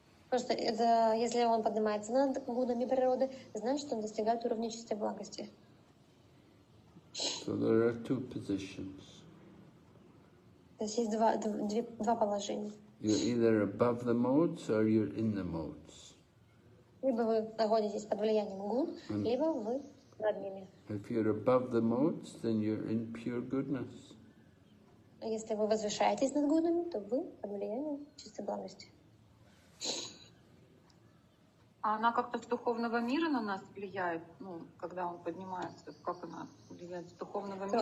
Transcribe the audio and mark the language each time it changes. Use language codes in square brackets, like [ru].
[ru] Просто это, если он поднимается над гунами природы, значит, он достигает уровня чистой благости. [en] So there are two positions. [ru] То есть есть два положения. [en] You're either above the modes or you're in the modes. [ru] Либо вы находитесь под влиянием гун, либо вы над ними. [en] If you're above the modes, then you're in pure goodness. [ru] Если вы возвышаетесь над гунами, то вы под влиянием чистой благости. А она как-то с духовного мира на нас влияет, ну, когда он поднимается, как она влияет с духовного мира,